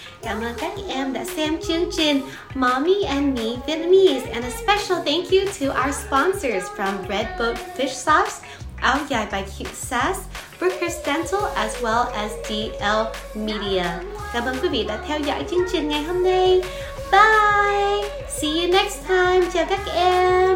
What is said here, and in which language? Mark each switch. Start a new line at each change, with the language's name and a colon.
Vietnamese: Cảm ơn các em đã xem chương trình Mommy and Me Vietnamese.
English: And a special thank you to our sponsors from Red Boat Fish Sauce, Ao Yai by Cute Sass, Brookhurst Dental, as well as DL Media.
Vietnamese: Cảm ơn quý vị đã theo dõi chương trình ngày hôm nay.
English: Bye! See you next time.
Vietnamese: Chào các em!